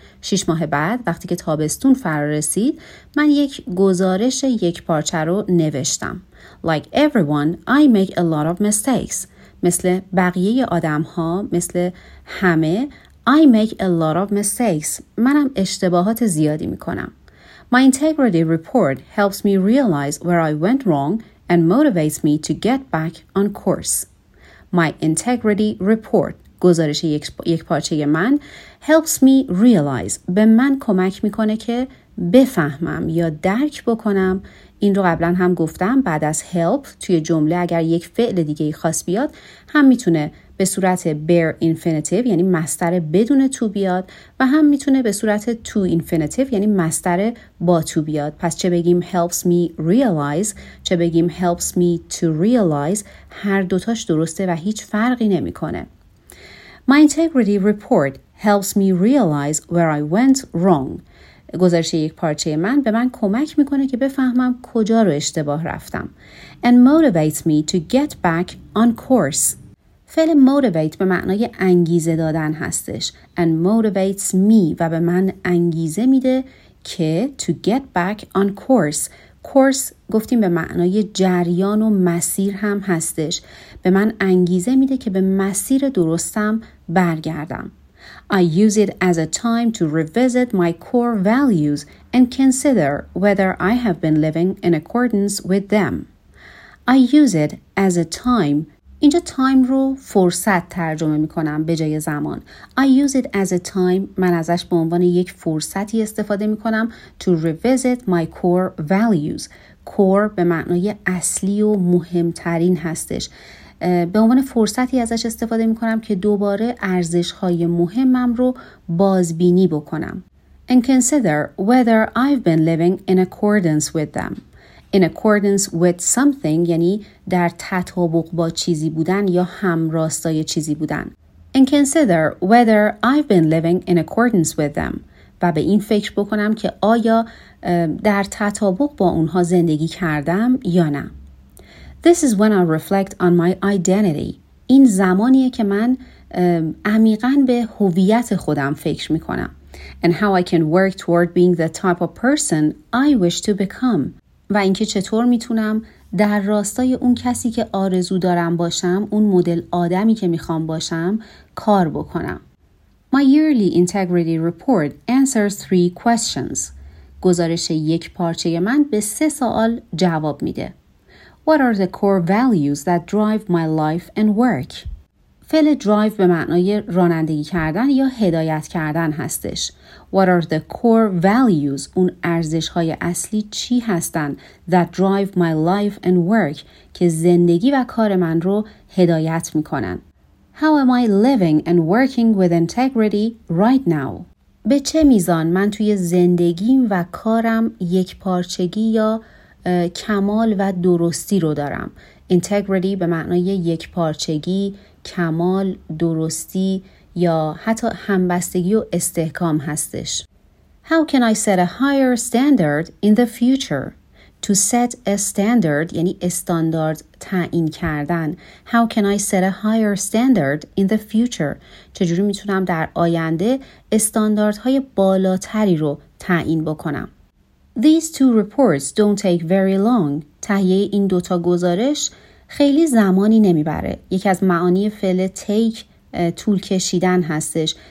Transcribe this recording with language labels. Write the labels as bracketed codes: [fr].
[fa] 6 ماه بعد وقتی که تابستون فرا رسید, من یک گزارش یک پارچه رو نوشتم. [en] Like everyone, I make a lot of mistakes. [fa] مثل بقیه آدم‌ها, مثل همه, [en] I make a lot of mistakes. [fa] منم اشتباهات زیادی می‌کنم. [en] My integrity report helps me realize where I went wrong and motivates me to get back on course. My integrity report, [fa] گزارش یک پارچه من, [en] helps me realize, [fa] به من کمک میکنه که بفهمم یا درک بکنم. این رو قبلا هم گفتم, بعد از help توی جمله اگر یک فعل دیگه خاص بیاد, هم میتونه به صورت bare infinitive یعنی مصدر بدون تو بیاد و هم میتونه به صورت to infinitive یعنی مصدر با تو بیاد. پس چه بگیم [en] helps me realize, [fa] چه بگیم [en] helps me to realize, [fa] هر دوتاش درسته و هیچ فرقی نمی کنه. [en] My integrity report helps me realize where I went wrong. [fa] گزارش یک پارچه من به من کمک میکنه که بفهمم کجا رو اشتباه رفتم. [en] And motivates me to get back on course. [fa] فعل motivate به معنای انگیزه دادن هستش. [en] And motivates me [fa] و به من انگیزه میده که [en] to get back on course, [fa] کورس گفتیم به معنای جریان و مسیر هم هستش. به من انگیزه میده که به مسیر درستم برگردم. [en] I use it as a time to revisit my core values and consider whether I have been living in accordance with them. I use it as a time. [fa] اینجا تایم رو فرصت ترجمه میکنم به جای زمان. [en] I use it as a time. [fa] من ازش به عنوان یک فرصتی استفاده میکنم. [en] To revisit my core values. [fa] Core به معنای اصلی و مهمترین هستش. به عنوان فرصتی ازش استفاده میکنم که دوباره ارزش‌های مهمم رو بازبینی بکنم. [en] And consider whether I've been living in accordance with them. In accordance with something [fa] یعنی در تطابق با چیزی بودن یا همراستای چیزی بودن. [en] And consider whether I've been living in accordance with them. [fa] و به این فکر بکنم که آیا در تطابق با اونها زندگی کردم یا نه. [en] This is when I reflect on my identity. [fa] این زمانیه که من عمیقاً به هویت خودم فکر میکنم. [en] And how I can work toward being the type of person I wish to become. [fa] و اینکه چطور میتونم در راستای اون کسی که آرزو دارم باشم، اون مدل آدمی که میخوام باشم، کار بکنم. [en] My yearly integrity report answers three questions. [fa] گزارش یک پارچه من به سه سوال جواب میده. [en] What are the core values that drive my life and work? [fa] فعل drive به معنای رانندگی کردن یا هدایت کردن هستش. [en] What are the core values؟ [fa] اون ارزش‌های اصلی چی هستن؟ [en] That drive my life and work [fa] که زندگی و کار من رو هدایت می‌کنن. [en] How am I living and working with integrity right now؟ [fa] به چه میزان من توی زندگیم و کارم یک پارچگی یا کمال و درستی رو دارم؟ Integrity به معنای یک پارچگی، کمال، درستی یا حتی همبستگی و استحکام هستش. [en] How can I set a higher standard in the future? [fa] To set a standard یعنی استاندارد تعیین کردن. [en] How can I set a higher standard in the future? [fa] چجوری میتونم در آینده استانداردهای بالاتری رو تعیین بکنم؟ [en] These two reports don't take very long. [fa] تهیه این دوتا گزارش خیلی زمانی نمیبره. یکی از معانی فعل take طول کشیدن هستش.